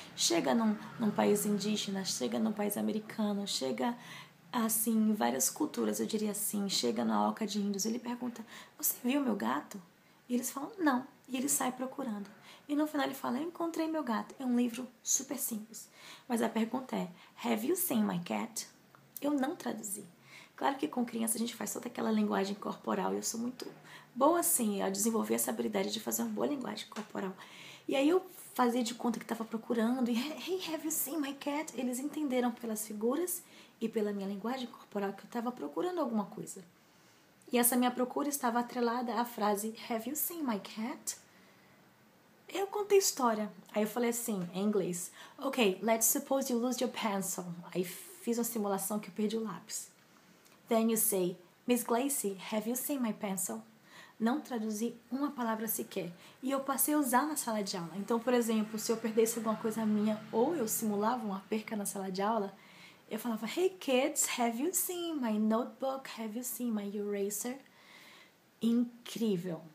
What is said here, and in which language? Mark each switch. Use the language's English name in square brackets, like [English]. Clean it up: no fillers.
[Portuguese] Chega num país indígena, chega num país americano, chega assim, em várias culturas, eu diria assim, chega na Oca de Índios. Ele pergunta: você viu meu gato? E eles falam: não. E ele sai procurando. E no final ele fala: eu encontrei meu gato. É um livro super simples. Mas a pergunta é: [English] have you seen my cat? [Portuguese] Eu não traduzi. Claro que com criança a gente faz toda aquela linguagem corporal, e eu sou muito boa assim, a desenvolver essa habilidade de fazer uma boa linguagem corporal. E aí eu fazia de conta que estava procurando, e [English] hey, have you seen my cat? [Portuguese] Eles entenderam pelas figuras e pela minha linguagem corporal que eu estava procurando alguma coisa. E essa minha procura estava atrelada à frase [English] have you seen my cat? [Portuguese] Eu contei história. Aí eu falei assim, em inglês: [English] ok, let's suppose you lose your pencil. [Portuguese] Aí fiz uma simulação que eu perdi o lápis. [English] Then you say, Miss Glacy, have you seen my pencil? [Portuguese] Não traduzi uma palavra sequer. E eu passei a usar na sala de aula. Então, por exemplo, se eu perdesse alguma coisa minha ou eu simulava uma perca na sala de aula, eu falava, [English] hey kids, have you seen my notebook? Have you seen my eraser? [Portuguese] Incrível.